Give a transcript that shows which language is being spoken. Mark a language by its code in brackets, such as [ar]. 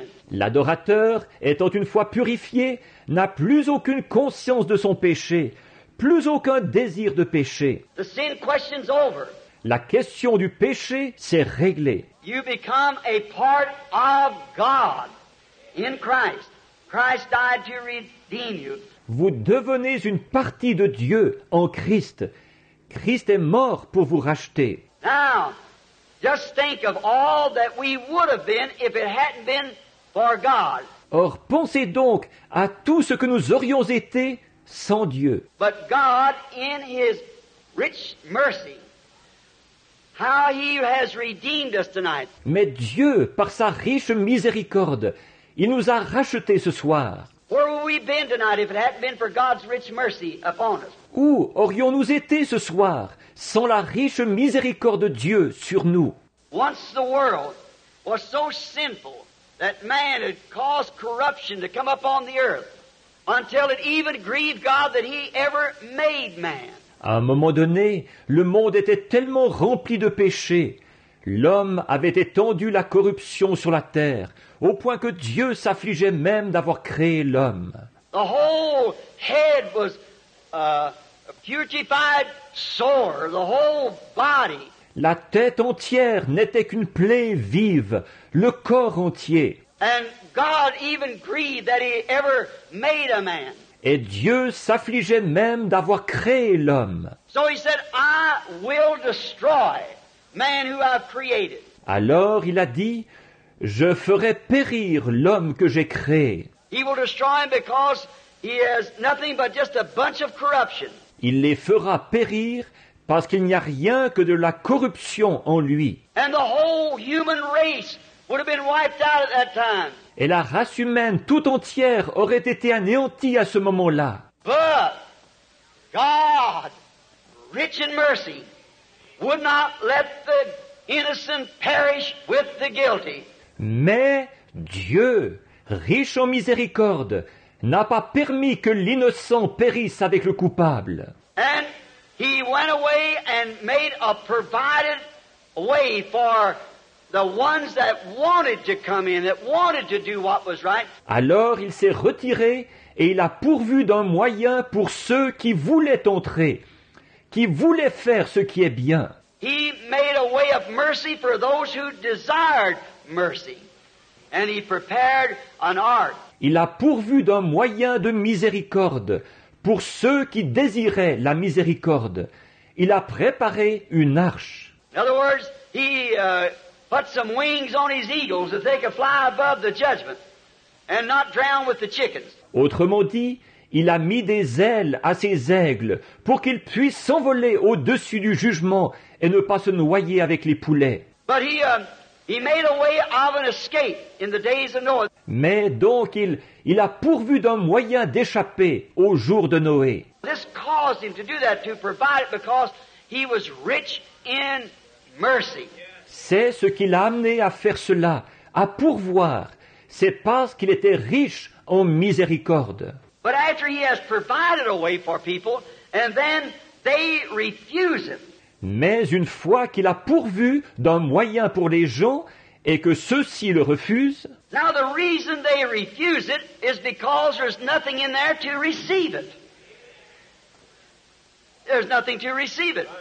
[fr] L'adorateur, étant une fois purifié, n'a plus aucune conscience de son péché, plus aucun désir de péché. [en] The sin question's over. [fr] La question du péché s'est réglée. [en] You become a part of God in Christ. Christ died to redeem you. [fr] Vous devenez une partie de Dieu en Christ. Christ est mort pour vous racheter. [en] Now, just think of all that we would have been if it hadn't been for God. [fr] Or, pensez donc à tout ce que nous aurions été sans Dieu. [en] But God, in His rich mercy, how He has redeemed us tonight. [fr] Mais Dieu, par sa riche miséricorde, il nous a rachetés ce soir. [en] Where would we been tonight if it hadn't been for God's rich mercy upon us? [fr] Où aurions-nous été ce soir sans la riche miséricorde de Dieu sur nous? [en] Once the world was so sinful that man had caused corruption to come upon the earth, until it even grieved God that He ever made man. [fr] À un moment donné, le monde était tellement rempli de péchés, l'homme avait étendu la corruption sur la terre, au point que Dieu s'affligeait même d'avoir créé l'homme. [en] The whole head was a putrefied sore, the whole body. [fr] La tête entière n'était qu'une plaie vive, le corps entier. [en] And God even grieved that He ever made a man. [fr] Et Dieu s'affligeait même d'avoir créé l'homme. [en] So He said, I will destroy man who I've created. [fr] Alors il a dit, je ferai périr l'homme que j'ai créé. [en] He will destroy him because he has nothing but just a bunch of corruption. [fr] Il les fera périr parce qu'il n'y a rien que de la corruption en lui. [en] And the whole human race would have been wiped out at that time. [fr] Et la race humaine tout entière aurait été anéantie à ce moment-là. [en] But God, rich in mercy, would not let the innocent perish with the guilty. [fr] Mais Dieu, riche en miséricorde, n'a pas permis que l'innocent périsse avec le coupable. [en] And He went away and made a provided way for the ones that wanted to come in, that wanted to do what was right. [fr] Alors il s'est retiré et il a pourvu d'un moyen pour ceux qui voulaient entrer, qui voulaient faire ce qui est bien. [en] He made a way of mercy for those who desired mercy. And He prepared an ark. [fr] Il a pourvu d'un moyen de miséricorde pour ceux qui désiraient la miséricorde. Il a préparé une arche. [en] In other words, He put some wings on His eagles that they could fly above the judgment and not drown with the chickens. [fr] Autrement dit, il a mis des ailes à ses aigles pour qu'ils puissent s'envoler au-dessus du jugement et ne pas se noyer avec les poulets. [en] But he made a way of an escape in the days of Noah. [fr] Mais donc il a pourvu d'un moyen d'échapper au jour de Noé. [en] This caused him to do that, to provide it because he was rich in mercy. [fr] C'est ce qui l'a amené à faire cela, à pourvoir. C'est parce qu'il était riche en miséricorde. [en] But after he has provided a way for people, and then they refuse him. [fr] Mais une fois qu'il a pourvu d'un moyen pour les gens et que ceux-ci le refusent, [en] now the reason they refuse it is because there's nothing in there to receive it. There's nothing to receive it.